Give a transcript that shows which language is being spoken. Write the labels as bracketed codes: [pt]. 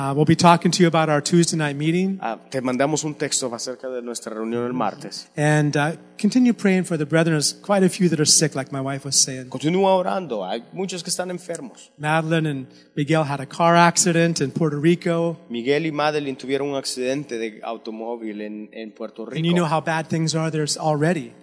[en] We'll be talking to you about our Tuesday night meeting. [es] Te mandamos un texto acerca de nuestra reunión el martes. [en] And continue praying for the brethren. There's quite a few that are sick, like my wife was saying. [es] Continúa orando. Hay muchos que están enfermos. [en] Madeline and Miguel had a car accident in Puerto Rico. [es] Miguel y Madeline tuvieron un accidente de automóvil en Puerto Rico. [en] And you know how bad things are there already.